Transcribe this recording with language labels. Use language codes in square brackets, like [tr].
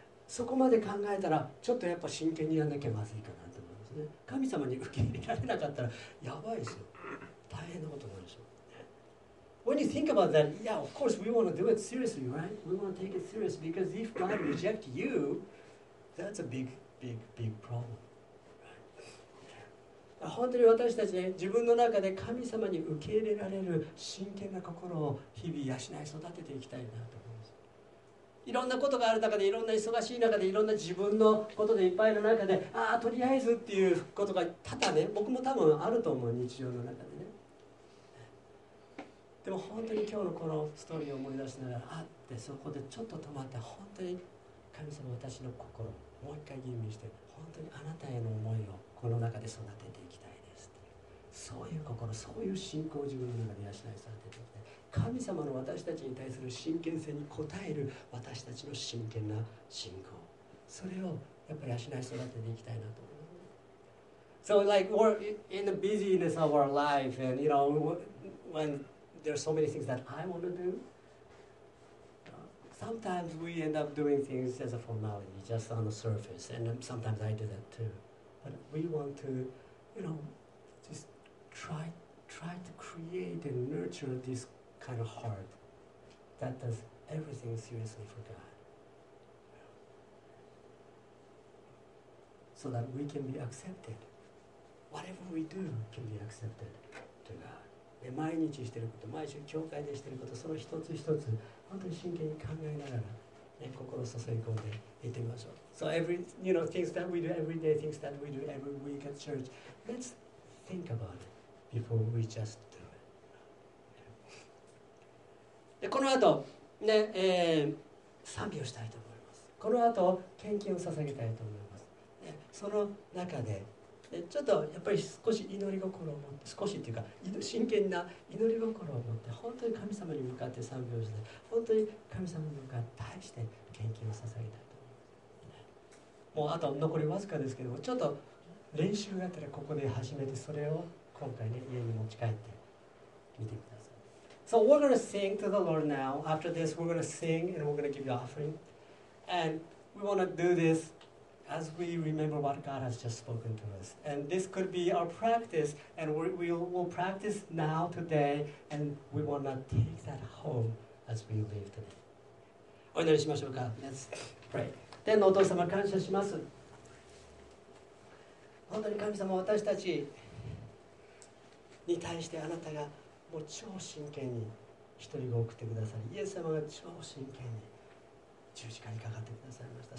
[ja] そこまで考えたらちょっとやっぱ真剣にやらなきゃまずいかなと思うんですね。神様に受け入れられなかったらやばいですよ。大変なことになるでしょう。 [en] When you think about that, yeah, of course we want to do it seriously, right? We want to take it serious because if God reject you, that's a big, big, big problem. [ja] 本当に私たちね、自分の中で神様に受け入れられる真剣な心を日々養い育てていきたいなと。いろんなことがある中で、いろんな忙しい中で、いろんな自分のことでいっぱいの中で、ああとりあえずっていうことが多々ね、僕も多分あると思う、日常の中でね。でも本当に今日のこのストーリーを思い出しながら、あってそこでちょっと止まって、本当に神様、私の心をもう一回吟味して、本当にあなたへの思いをこの中で育てていきたいですっていう、そういう心、そういう信仰を自分の中で養い育てていきたい。神様の私たちに対する真剣性に応える私たちの真剣な信仰、それをやっぱり養い育てていきたいなと思う。 [en] So like we're in the busyness of our life and you know when there are so many things that I want to do, sometimes we end up doing things as a formality just on the surface, and sometimes I do that too, but we want to you know just try to create and nurture thiskind of heart that does everything seriously for God. So that we can be accepted. Whatever we do can be accepted to God. [ja] 毎日してること、毎週教会でしてること、その一つ一つ、本当に真剣に考えながら、ね、心を注ぎ込んでいってみましょう。 [en] So every, you know, things that we do every day, things that we do every week at church, let's think about it before we just do. [ja] でこの後、ね賛美をしたいと思います。この後献金を捧げたいと思います。でその中ででちょっとやっぱり少し祈り心を持って、少しというか真剣な祈り心を持って、本当に神様に向かって賛美をして、本当に神様に向かって対して献金を捧げたいと思います。もうあと残りわずかですけども、ちょっと練習があったらここで始めて、それを今回ね、家に持ち帰って見てください。 [en] So we're going to sing to the Lord now. After this we're going to sing and we're going to give you offering. And we want to do thisAs we remember what God has just spoken to us. And this could be our practice, and we'll practice now today, and we want to take that home as we leave today. [ja] お祈りしましょうか。 [en] Let's pray. [ja] 天のお父様、感謝します。本当に神様、私たちに対してあなたがもう超真剣に一人を送ってくださり、イエス様が超真剣に十字架にかかってくださいました。